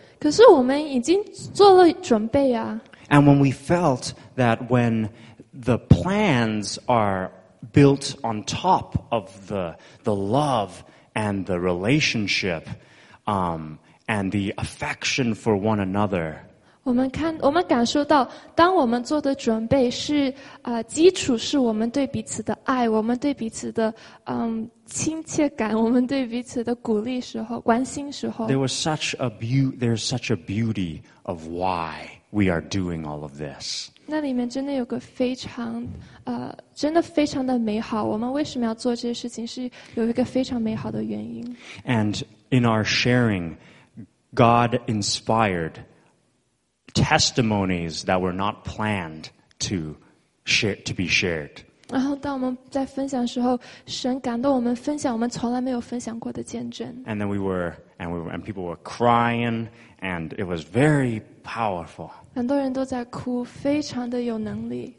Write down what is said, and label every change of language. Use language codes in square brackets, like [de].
[zh] 可是我们已经做了准备啊。 [en] And when we felt that when the plans are built on top of the love and the relationship, and the affection for one another. [zh] 我们感受到当我们做的准备是基础是我们对彼此的爱，我们对彼此的亲切感，我们对彼此的鼓励时候，关心时候。 [en] There's such a beauty of why we are doing all of this. [zh] 那里面真的有个非常真的非常的美好，我们为什么要做这些事情是有一个非常美好的原因。 [en] And in our sharing,God inspired testimonies that were not planned to be shared. [zh] 然后当我们在分享的时候，神感动我们分享我们从来没有分享过的见证。 [en] And then and people were crying, and it was very powerful. [zh] 很多人都在哭，非常的有能力。